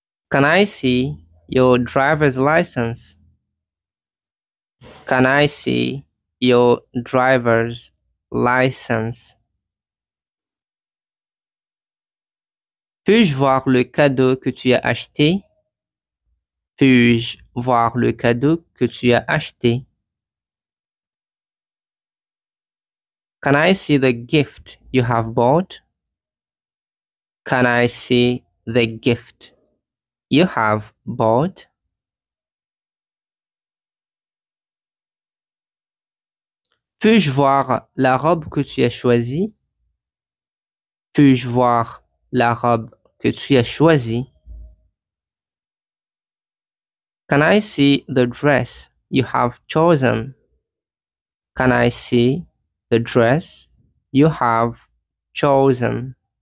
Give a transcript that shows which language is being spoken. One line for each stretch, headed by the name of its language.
English: Can I see your driver's license? Can I see your driver's license?
French: Puis-je voir le cadeau que tu as acheté? Puis-je voir le cadeau que tu as acheté?
English: Can I see the gift you have bought? Can I see the gift you have bought?
French: Puis-je voir la robe que tu as choisie? Puis-je voir la robe que tu as choisie?
English: Can I see the dress you have chosen? Can I see the dress you have chosen?